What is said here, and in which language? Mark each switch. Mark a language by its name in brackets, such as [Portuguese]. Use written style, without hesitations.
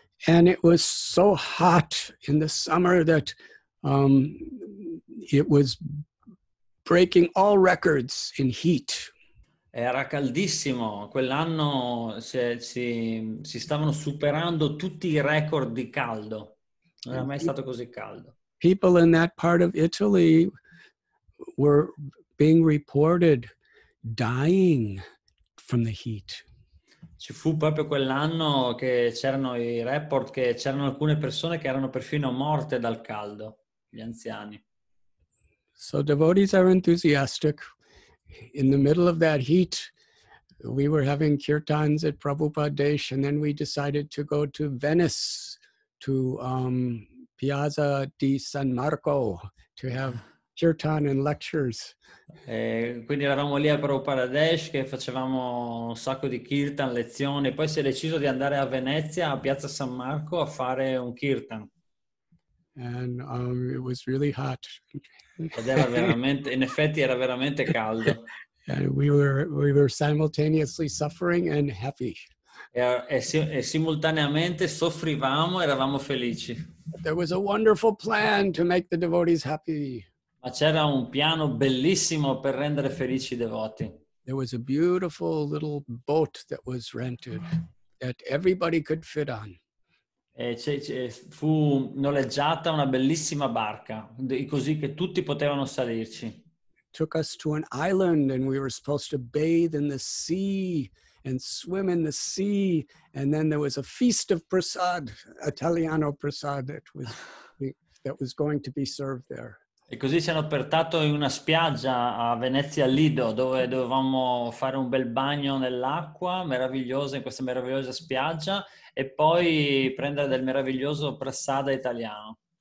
[English] And it was so hot in the summer that it was breaking all records in heat. [Italian] Era caldissimo. Quell'anno si stavano superando tutti i record di caldo. Non era mai stato così caldo. [English] People in that part of Italy were being reported dying from the heat. [Italian] Ci fu proprio quell'anno che c'erano i report che c'erano alcune persone che erano perfino morte dal caldo, gli anziani. [English] So devotees are enthusiastic. In the middle of that heat, we were having kirtans at Prabhupada Desh, and then we decided to go to Venice, to Piazza di San Marco, to have kirtan and lectures. [Italian] Quindi eravamo lì a Prabhupada Desh che facevamo un sacco di kirtan, lezioni, poi si è deciso di andare a Venezia, a Piazza San Marco, a fare un kirtan. [English] And it was really hot. [Italian] Ed era veramente, in effetti era veramente caldo. [English] And we were simultaneously suffering and happy. [Italian] E simultaneamente soffrivamo e eravamo felici. [English] There was a wonderful plan to make the devotees happy. [Italian] Ma c'era un piano bellissimo per rendere felici i devoti. [English] There was a beautiful little boat that was rented that everybody could fit on. [Italian] E fu noleggiata una bellissima barca, così che tutti potevano salirci. [English] Took us to an island and we were supposed to bathe in the sea and swim in the sea, and then there was a feast of prasad, italiano prasad, that was that was going to be served there. [Italian] E così si è appertato in una spiaggia a Venezia Lido, dove dovevamo fare un bel bagno nell'acqua meravigliosa, in questa meravigliosa spiaggia, e poi prendere del meraviglioso prasada italiano.